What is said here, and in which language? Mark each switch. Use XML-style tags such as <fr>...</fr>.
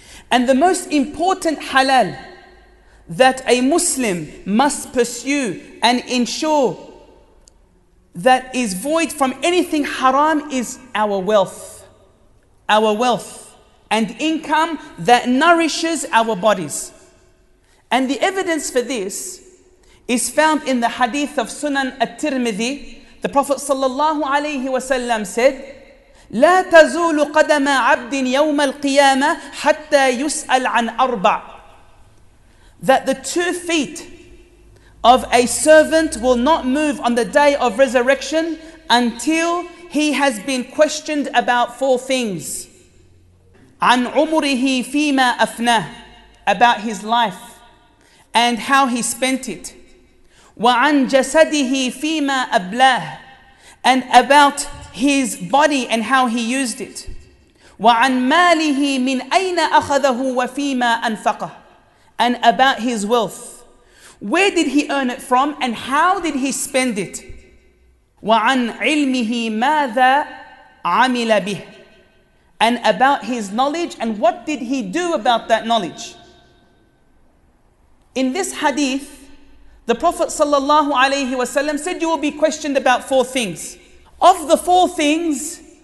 <en>And the most important halal that a Muslim must pursue and ensure that is void from anything haram is our wealth. Our wealth and income that nourishes our bodies. And the evidence for this is found in the hadith of Sunan At-Tirmidhi. The Prophet sallallahu alayhi wa sallam said,</en> <ar>لا تزول قدم عبد يوم القيامة حتى يسأل عن أربع.</ar> <en>That the two feet of a servant will not move on the day of resurrection until he has been questioned about four things.</en> <ar>عن عمره فيما أفناه,</ar> <en>about his life and how he spent it.</en> <ar>وعن جسده فيما أبلاه,</ar> <en>and about his body and how he used it.</en> <ar>وعن ماله من أين أخذه وفيما أنفقه,</ar> <en>and about his wealth. Where did he earn it from and how did he spend it?</en> <ar>وعن علمه ماذا عمل به,</ar> <en>and about his knowledge and what did he do about that knowledge. In this hadith, the Prophet sallallahu alayhi wasallam said, you will be questioned about four things. Of the four things,</en>